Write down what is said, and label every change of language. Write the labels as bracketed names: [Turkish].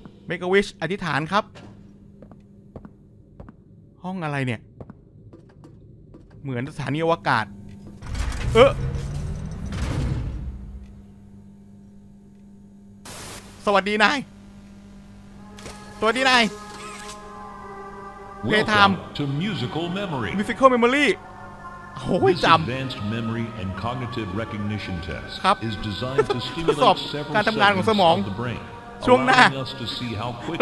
[English] Make a wish [Thai] อธิษฐานครับห้องอะไรเนี่ยเหมือนสถานีอวกาศเออสวัสดีนายสวัสดีนายเพทาม [English] usical [Thai] memory โอ้ยจำ [English] advanced memory and cognitive recognition test [Thai] ครับ [English] is designed to stimulate several cells of the brain [Thai] การทำงานของสมองช่วงหน้าแล